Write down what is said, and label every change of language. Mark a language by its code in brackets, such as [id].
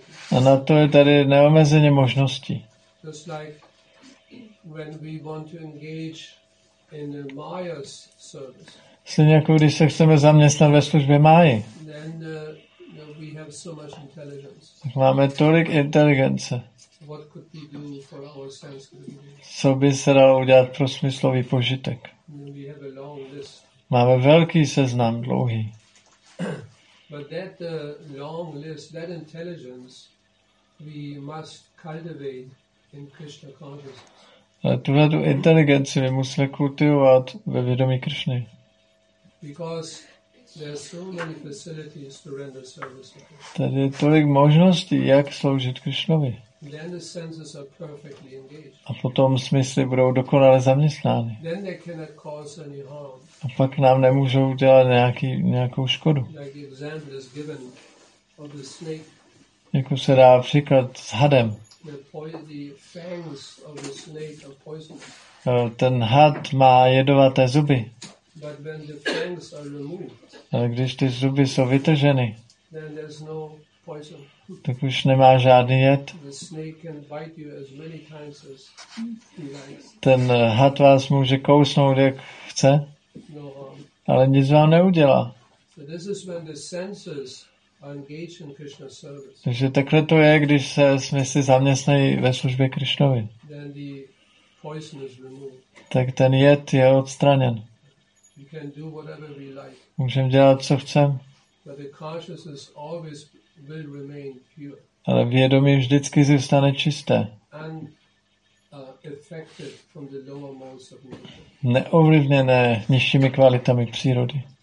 [cs] A na to je tady neomezeně možností. [en] Just like when we want to engage in the Maya's service. [cs] Stejně jako když se chceme zaměstnat ve službě Máji. [en] Then, we have so much intelligence. [cs] Tak máme tolik inteligence. [en] What could we do for our sense? [cs] Co by se dalo udělat pro smyslový požitek? [en] We have a long list. [cs] Máme velký seznam, dlouhý. [en] But that long list, that intelligence, we must cultivate in Krishna consciousness. [cs] Tuhle tu inteligenci my musíme kultivovat ve vědomí Krishny. [en] Because there are so many facilities to render service to Krishna. [cs] Tady je tolik možností, jak sloužit Krishnovi. [en] Then the senses are perfectly engaged. [cs] A potom smysly budou dokonale zaměstnány. [en] Then they cannot cause any harm. [cs] A pak nám nemůžou udělat nějakou škodu. [en] Like the example is given of the snake. [cs] Jako se dá příklad s hadem. [en] The fangs of the snake are poisonous. [cs] Ten had má jedovaté zuby. [en] But when the fangs are removed, [cs] ale když ty zuby jsou vytrženy, [en] then there's no poison. [cs] Tak už nemá žádný jed. [en] The snake can bite you as many times as he likes. [cs] Ten had vás může kousnout, jak chce, no, ale nic vám neudělá. [en] So this is when the senses are engaged in Krishna's service. [cs] Takže takhle to je, když se smysly zaměstnají ve službě Krišnovi. [en] Then the poison is removed. [cs] Tak ten jed je odstraněn. [en] We can do whatever we like. [cs] Můžeme dělat, co chcem. [en] But the consciousness always will remain pure. [cs] Ale vědomí vždycky zůstane čisté. [en] And affected from the lower modes of nature. [cs] Neovlivněné nižšími kvalitami přírody.